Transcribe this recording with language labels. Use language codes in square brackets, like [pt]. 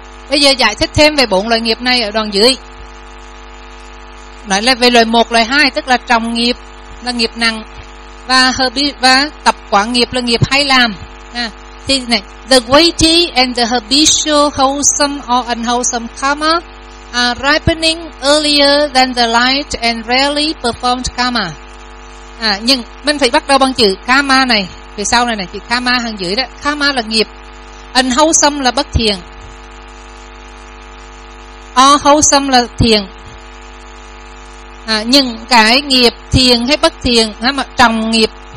[vi] Bây giờ giải thích thêm về bốn loại nghiệp này ở đoạn dưới. Nói là về loại 1, loại 2 tức là trọng nghiệp là nghiệp nặng và tập quán nghiệp là nghiệp hay làm. Thì này, [en] the weighty and the habitual wholesome or unwholesome karma are ripening earlier than the light and rarely performed karma. [vi] Nhưng mình phải bắt đầu bằng chữ karma này. Phía sau này này, chữ karma hàng dưới đó. Karma là nghiệp. Unwholesome là bất thiện. Or wholesome là thiện. Những cái nghiệp thiện hay bất thiện, mà trồng nghiệp.